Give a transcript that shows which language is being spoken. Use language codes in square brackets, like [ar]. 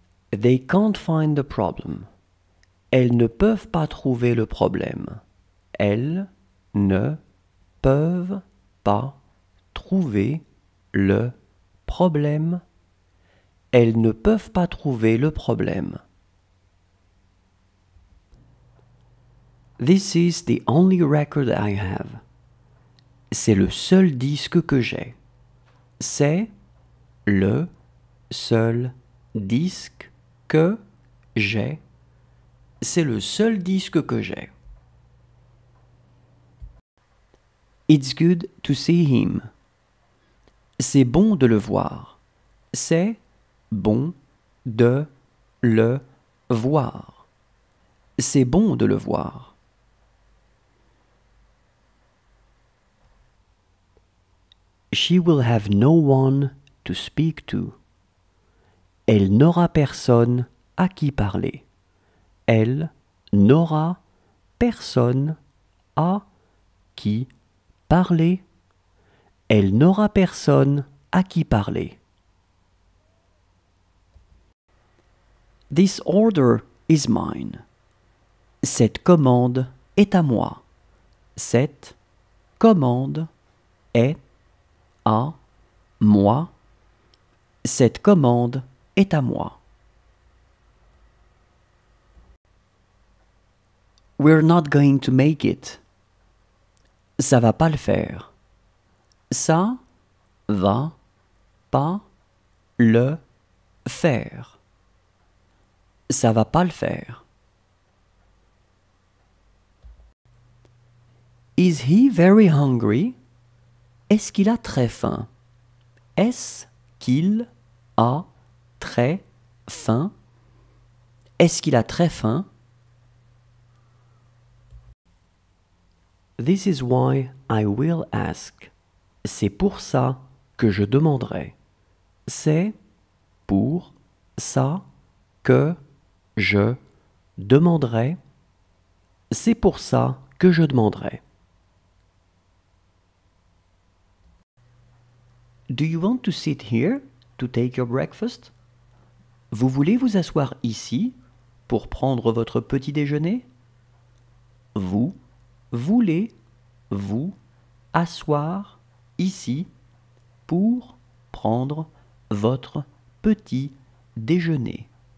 [en] They can't find the problem. [fr] Elles ne peuvent pas trouver le problème. Elles ne peuvent pas trouver le problème. Elles ne peuvent pas trouver le problème. [en] This is the only record I have. [fr] C'est le seul disque que j'ai. C'est le seul disque que j'ai. C'est le seul disque que j'ai. [en] It's good to see him. [fr] C'est bon de le voir. C'est bon de le voir. C'est bon de le voir. [en] She will have no one to speak to. [fr] Elle n'aura personne à qui parler. Elle n'aura personne à qui parler. Elle n'aura personne à qui parler. [en] This order is mine. [fr] Cette commande est à moi. Cette commande est à moi. Cette commande est à moi. [en] We're not going to make it. [fr] Ça va pas le faire. Ça va pas le faire. Ça va pas le faire. [en] Is he very hungry? [fr] Est-ce qu'il a très faim? Est-ce qu'il a très faim? Est-ce qu'il a très faim? [en] This is why I will ask. [fr] C'est pour ça que je demanderai. C'est pour ça que je demanderai. C'est pour ça que je demanderai. [en] Do you want to sit here to take your breakfast? [fr] Vous voulez vous asseoir ici pour prendre votre petit déjeuner? Vous voulez vous asseoir ici pour prendre votre petit déjeuner?